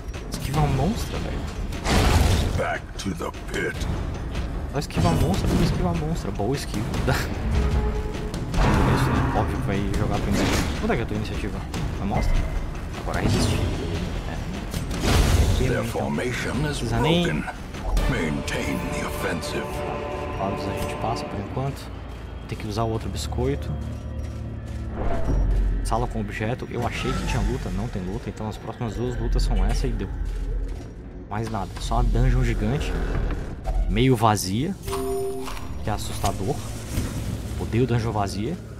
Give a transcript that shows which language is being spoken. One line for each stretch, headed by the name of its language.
Portuguese: Esquiva monstra, velho.
English: Back to the pit.
Portuguese: Vai esquivar monstra por esquivar monstra. Boa esquiva. Isso, né? Óbvio que vai jogar pra iniciativa. Onde é que é a tua iniciativa? Vai mostra? Agora resiste.
English: Their formation is broken. Maintain the offensive.
Portuguese: Óbvio, a gente passa por enquanto. Tem que usar o outro biscoito. Sala com objeto. Eu achei que tinha luta, não tem luta. Então as próximas duas lutas são essa e deu. Mais nada, só a dungeon gigante. Meio vazia. Que é assustador. Odeio dungeon vazia.